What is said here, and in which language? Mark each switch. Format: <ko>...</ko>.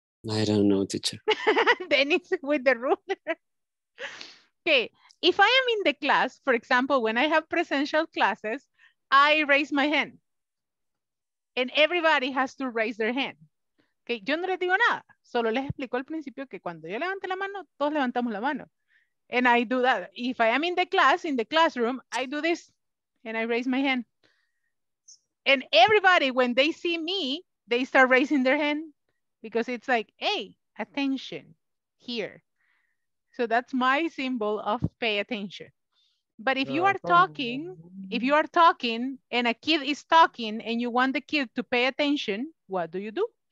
<en>I don't know, teacher. Dennis with the ruler. Okay, if I am in the class, for example, when I have presencial classes, I raise my hand. And everybody has to raise their hand. Okay,</en> <es>yo no les digo nada. Solo les explico al principio que cuando yo levante la mano, todos levantamos la mano.</es> <en>And I do that. If I am in the class, in the classroom, I do this and I raise my hand. And everybody, when they see me, they start raising their hand because it's like, hey, attention here. So that's my symbol of pay attention. But if you are talking, if you are talking and a kid is talking and you want the kid to pay attention, what do you do?</en>